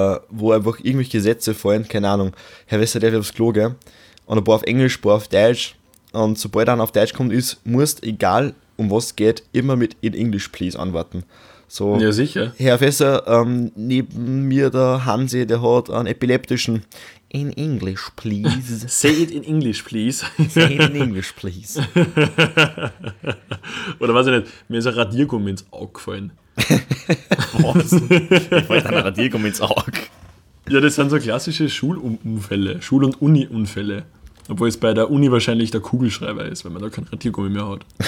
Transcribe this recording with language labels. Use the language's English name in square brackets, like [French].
[German] Wo einfach irgendwelche Sätze fallen, keine Ahnung, Herr Wester, der will aufs Klo, gell? Und ein paar auf Englisch, ein paar auf Deutsch. Und sobald dann auf Deutsch kommt, ist, musst, egal um was es geht, immer mit [English] in English please [German] antworten. So, ja, sicher. Herr Wester, neben mir der Hansi, der hat einen epileptischen. [English] In English please. Say it in English please. Say it in English please. [German] Oder weiß ich nicht, mir ist ein Radiergummi ins Auge gefallen. Was? Ich wollte ein Radiergummi ins Auge. Ja, das sind so klassische Schulunfälle, Schul- und Uni-Unfälle. Obwohl es bei der Uni wahrscheinlich der Kugelschreiber ist, wenn man da kein Radiergummi mehr hat.